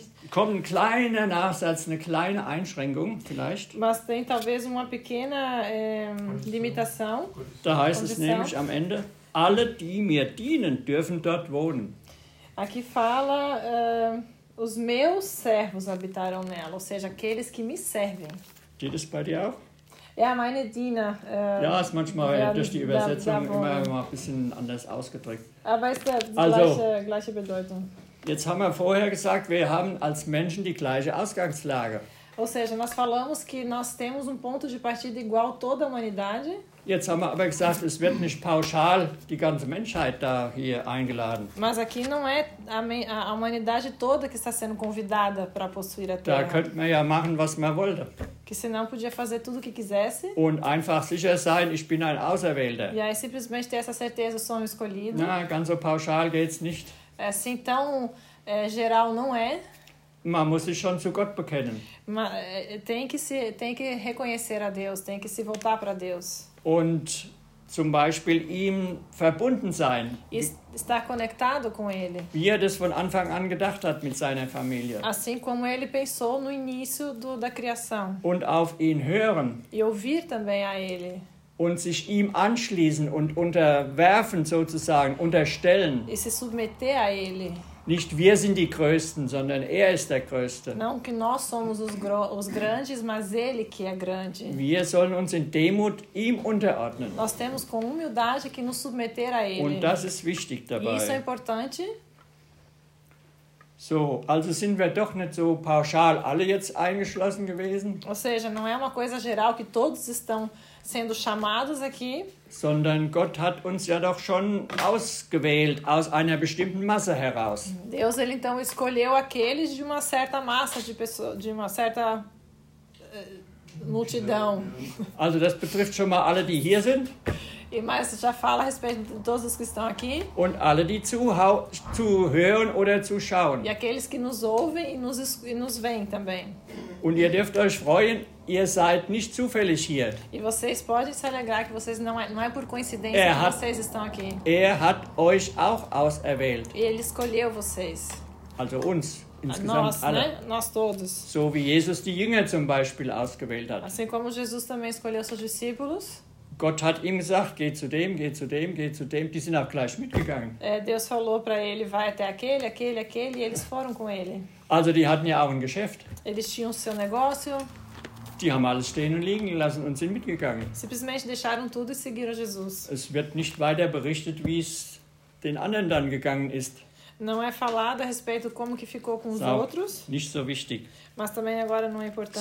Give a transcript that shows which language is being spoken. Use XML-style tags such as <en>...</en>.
<de>Kommt ein kleiner Nachsatz, eine kleine Einschränkung vielleicht.</de> <pt>Mas tem talvez uma pequena limitação.</pt> <de>Da heißt es nämlich am Ende, alle, die mir dienen, dürfen dort wohnen.</de> <pt>Aqui fala, os meus servos habitarão nela, ou seja, aqueles que me servem.</pt> <de>Geht es bei dir auch? Ja, meine Diener. Ja, ist manchmal durch die Übersetzung immer ein bisschen anders ausgedrückt. Aber ist ja die also, gleiche Bedeutung. Jetzt haben wir vorher gesagt, wir haben als Menschen die gleiche Ausgangslage.</de> <pt>Ou seja, nós falamos que nós temos ponto de partida igual toda a humanidade.</pt> <de>Jetzt haben wir aber gesagt, es wird nicht pauschal die ganze Menschheit da hier eingeladen.</de> <pt>Mas aqui não é a humanidade toda que está sendo convidada para possuir a Terra.</pt> <de>Da könnte man ja machen, was man wollte.</de> <pt>Que senão podia fazer tudo o que quisesse.</pt> <de>Und einfach sicher sein, ich bin ein Auserwählter.</de> <pt>E aí simplesmente ter essa certeza, sou escolhido.</pt> <de>Na, ganz so pauschal geht's nicht.</de> <pt>Assim tão geral não é.</pt> <de>Man muss sich schon zu Gott bekennen.</de> <pt>Tem que reconhecer a Deus, tem que se voltar para Deus.</pt> <de>Und zum Beispiel ihm verbunden sein.</de> <pt>Estar conectado com ele.</pt> <de>Wie er das von Anfang an gedacht hat mit seiner Familie.</de> <pt>Assim como ele pensou no início da criação.</pt> <de>Und auf ihn hören.</de> <pt>E ouvir também a ele.</pt> <de>Und sich ihm anschließen und unterwerfen sozusagen, unterstellen.</de> <pt>E se submeter a ele.</pt> <de>Nicht wir sind die Größten, sondern er ist der Größte.</de> <pt>Não que nós somos os grandes, mas ele que é grande.</pt> <de>Wir sollen uns in Demut ihm unterordnen.</de> <pt>Nós temos com humildade que nos submeter a ele.</pt> <de>Und das ist wichtig dabei.</de> <pt>Isso é importante.</pt> <de>So, also sind wir doch nicht so pauschal alle jetzt eingeschlossen gewesen.</de> <pt>Ou seja, não é uma coisa geral que todos estão sendo chamados aqui.</pt> <de>Sondern Gott hat uns ja doch schon ausgewählt aus einer bestimmten Masse heraus.</de> <pt>Deus, ele então escolheu aqueles de uma certa massa de pessoas, de uma certa multidão.</pt> <de>Also das betrifft schon mal alle, die hier sind.</de> <pt>E mais, já fala a respeito de todos os que estão aqui.</pt> <de>Und alle, die zuhören oder zuschauen.</de> <pt>E aqueles que nos ouvem e nos veem também.</pt> <de>Und ihr dürft euch freuen, ihr seid nicht zufällig hier.</de> <pt>E vocês podem se alegrar que vocês não é por coincidência que vocês estão aqui.</pt> <de>Er hat euch auch auserwählt.</de> <pt>E ele escolheu vocês.</pt> <de>Also uns, insgesamt</de> <pt>nós,</pt> <de>alle.</de> <pt>Né? Nós todos.</pt> <de>So wie Jesus die Jünger zum Beispiel ausgewählt hat.</de> <pt>Assim como Jesus também escolheu seus discípulos.</pt> <de>Gott hat ihm gesagt, geh zu dem, geh zu dem, geh zu dem. Die sind auch gleich mitgegangen.</de> <pt>Deus falou para ele, vai até aquele, e eles foram com ele.</pt> <de>Also die hatten ja auch ein Geschäft.</de> <pt>Eles tinham seu negócio.</pt> <de>Die haben alles stehen und liegen gelassen und sind mitgegangen.</de> <pt>Simplesmente deixaram tudo e seguiram Jesus.</pt> <de>Es wird nicht weiter berichtet, wie es den anderen dann gegangen ist.</de> <pt>Não é falado a respeito como que ficou com os outros.</pt> <de>Nicht so wichtig.</de> <pt>Mas também agora não é importante.</pt>